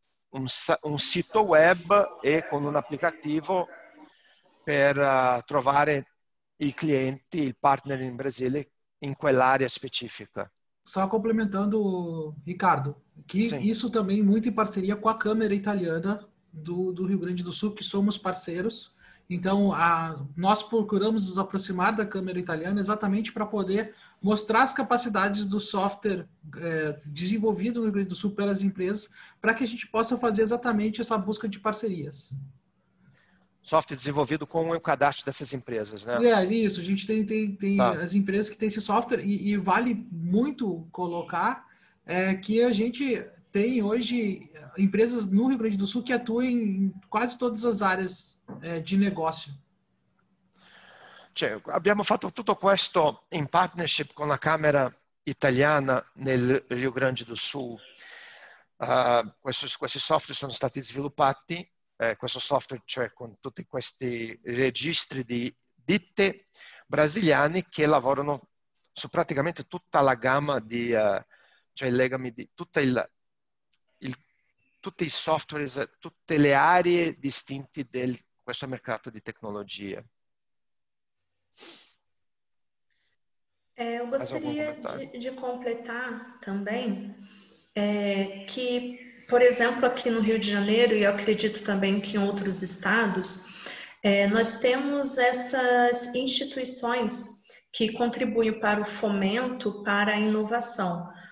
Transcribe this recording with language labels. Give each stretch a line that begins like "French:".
Italian: un sito web e con un applicativo per trovare i clienti, il partner in Brasile, in quell'area specifica.
Portuguese: Só complementando, Riccardo, che isso também muito em parceria com a Câmara Italiana do Rio Grande do Sul, que somos parceiros. Então, nós procuramos nos aproximar da Câmara Italiana exatamente para poder mostrar as capacidades do software desenvolvido no Rio Grande do Sul pelas empresas, para que a gente possa fazer exatamente essa busca de parcerias. Software desenvolvido com o cadastro dessas empresas, né? É, isso. A gente tem as empresas que têm esse software e vale muito colocar que a gente tem hoje empresas no Rio Grande do Sul que atuam em quase todas as áreas
Italian: di negozio. Cioè, abbiamo fatto tutto questo in partnership con la Camera Italiana nel Rio Grande do Sul. Questi software sono stati sviluppati, questo software, cioè con tutti questi registri di ditte brasiliane che lavorano su praticamente tutta la gamma di, cioè il legame di tutta il tutti i software, tutte le aree distinte di questo mercato di tecnologia.
Portuguese: Eu gostaria de completar também que, por exemplo, aqui no Rio de Janeiro, e eu acredito também que em outros estados, nós temos essas instituições que contribuem para o fomento, para a inovação.